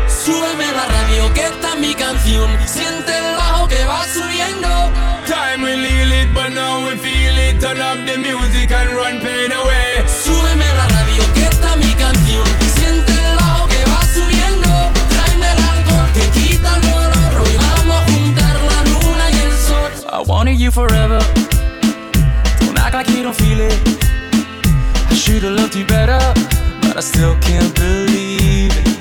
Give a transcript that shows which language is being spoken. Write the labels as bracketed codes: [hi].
[es] Súbeme la radio, que esta es mi canción. Siente el bajo que va subiendo. [en] Time we lead it, but now we feel it. Turn up the music and run pain away. [es] Súbeme la radio, que esta es mi canción. Siente el bajo que va subiendo. Tráeme el alcohol, que quita el dolor. Hoy vamos a juntar la luna y el sol. [en] I wanted you forever. Don't act like you don't feel it. I should have loved you better, but I still can't believe.